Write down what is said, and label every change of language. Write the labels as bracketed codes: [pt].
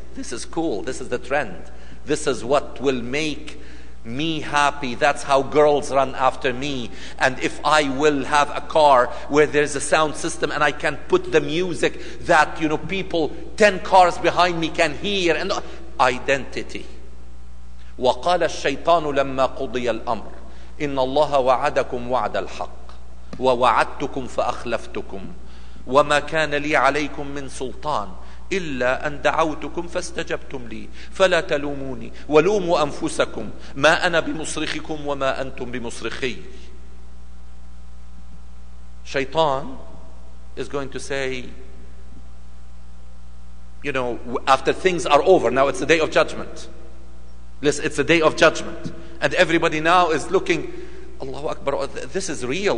[en] This is cool. This is the trend. This is what will make me happy. That's how girls run after me. And if I will have a car where there's a sound system and I can put the music that, you know, people 10 cars behind me can hear. And identity. [ar] وَقَالَ الشَّيْطَانُ لَمَّا قُضِيَ الْأَمْرِ إِنَّ اللَّهَ وَعَدَكُمْ وَعَدَ الْحَقِّ وَوَعَدْتُكُمْ فَأَخْلَفْتُكُمْ وَمَا كَانَ لِي عَلَيْكُمْ مِنْ سُلْطَانِ إلا أن دعوتكم فاستجبتم لي فلا تلوموني ولوموا أنفسكم ما أنا بمصرخكم وما أنتم بمصرخي. [en] Shaitan is going to say, you know, after things are over, now it's the day of judgment. Listen, it's the day of judgment. And everybody now is looking, Allahu Akbar, this is real.